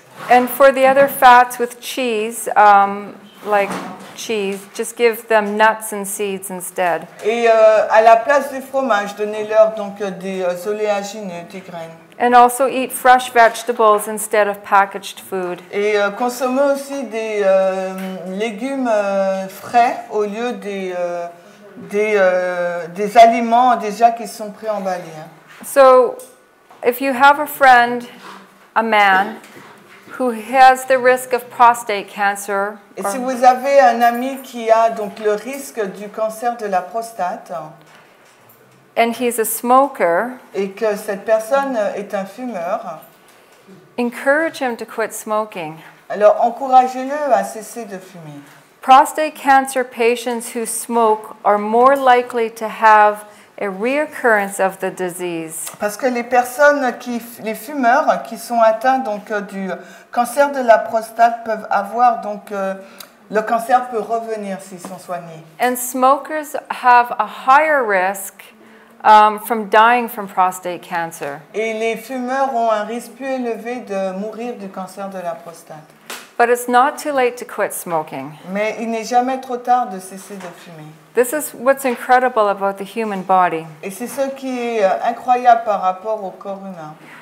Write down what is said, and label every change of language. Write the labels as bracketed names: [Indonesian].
[English] And for the other fats with cheese, like cheese, just give them nuts and seeds instead. [French] Et à la place du fromage, donnez-leur donc des oléagineux, des graines. [English] And also eat fresh vegetables instead of packaged food. [French] Et consommez aussi des légumes frais au lieu des aliments déjà qui sont pré-emballés. [English] So, if you have a friend, a man, who has the risk of prostate cancer, [French] et si vous avez un ami qui a donc le risque du cancer de la prostate. [English] And he's a smoker. [French] Et que cette personne est un fumeur. [English] Encourage him to quit smoking. [French] Alors encouragez-le à cesser de fumer. [English] Prostate cancer patients who smoke are more likely to have a reoccurrence of the disease. [French] Parce que les personnes qui les fumeurs qui sont atteints donc du cancer de la prostate peuvent avoir donc le cancer peut revenir s'ils sont soignés. [English] And smokers have a higher risk from dying from prostate cancer. [French] Et les fumeurs ont un risque plus élevé de mourir du cancer de la prostate. [English] But it's not too late to quit smoking. [French] Mais il n'est jamais trop tard de cesser de fumer. [English] This is what's incredible about the human body. [French] Et c'est ce qui est incroyable par rapport au corps humain.